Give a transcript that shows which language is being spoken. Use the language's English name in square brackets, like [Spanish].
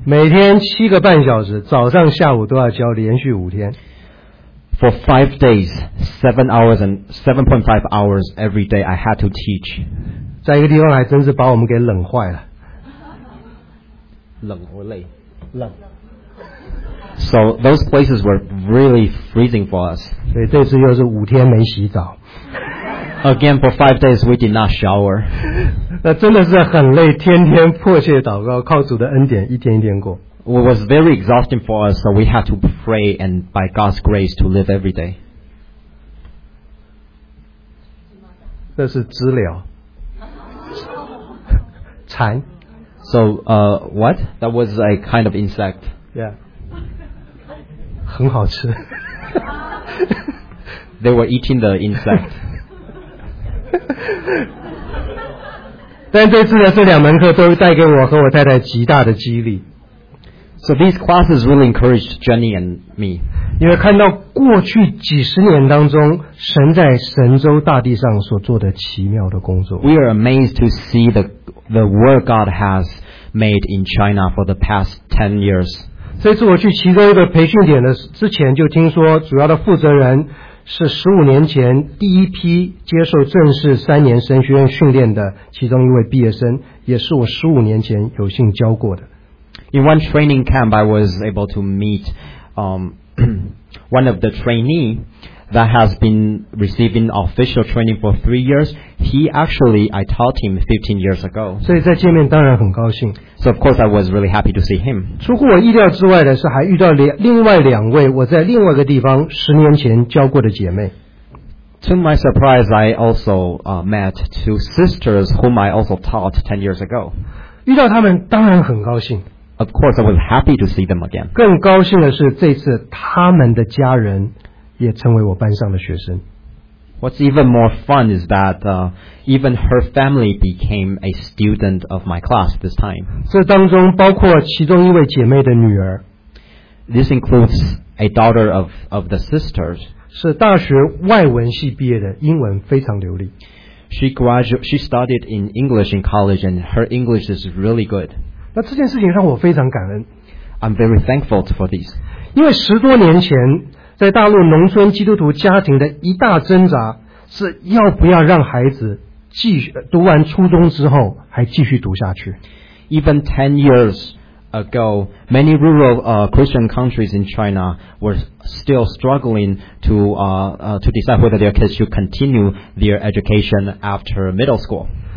[Chinese] 每天七个半小时，早上下午都要教，连续五天。 [English] For 5 days, 7 hours and 7.5 hours every day, I had to teach. [Chinese] 在一个地方还真是把我们给冷坏了。冷或累？冷。 [English] So those places were really freezing for us. [Chinese] 所以这次又是五天没洗澡。 [English] Again, for 5 days, we did not shower. [Chinese] 那真的是很累，天天迫切祷告，靠主的恩典，一天一天过。 [English] It was very exhausting for us, so we had to pray and by God's grace to live every day. [Chinese] 这是知了，蝉。 [English] So, what? That was a kind of insect. [Chinese] Yeah. 很好吃。 [English] They were eating the insect. [Chinese] 但这次的这两门课都带给我和我太太极大的激励。 [English] So these classes really encouraged Jenny and me. [Chinese] 因为看到过去几十年当中神在神州大地上所做的奇妙的工作。 [English] We are amazed to see the work God has made in China for the past 10 years. [Chinese] 这次我去其中一个培训点的之前就听说主要的负责人是15年前第一批接受正式三年神学院训练的其中一位毕业生，也是我15年前有幸教过的。 [English] In one training camp, I was able to meet one of the trainee that has been receiving official training for 3 years. He actually, I taught him 15 years ago. [Chinese] 所以在见面当然很高兴。 [English] So of course, I was really happy to see him. [Chinese] 出乎我意料之外的是，还遇到另外两位我在另外一个地方10年前教过的姐妹。 [English] To my surprise, I also met two sisters whom I also taught 10 years ago. [Chinese] 遇到他们当然很高兴。 [English] Of course, I was happy to see them again. [Chinese] 更高兴的是，这次他们的家人也成为我班上的学生。 [English] What's even more fun is that even her family became a student of my class this time. [Chinese] 这当中包括其中一位姐妹的女儿。 [English] This includes a daughter of the sisters. [Chinese] 是大学外文系毕业的，英文非常流利。 [English] She studied in English in college, and her English is really good. [Chinese] 那这件事情让我非常感恩。 [English] I'm very thankful for this. [Chinese] 因为十多年前。在大陆农村基督徒家庭的一大挣扎是要不要让孩子继续读完初中之后还继续读下去。 [English] Even 10 years ago, many rural Christian countries in China were still struggling to decide whether their kids should continue their education after middle school.